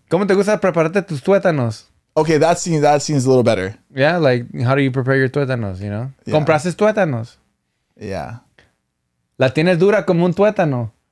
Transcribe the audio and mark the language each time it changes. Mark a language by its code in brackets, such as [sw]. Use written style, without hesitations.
[es] ¿Cómo te gusta prepararte tus tuétanos? [en] Okay, that seems a little better. Yeah, like, how do you prepare your tuétanos, you know? [es] Yeah. ¿Compraste tuétanos? [en] Yeah. [es] ¿La tienes dura como un tuétano?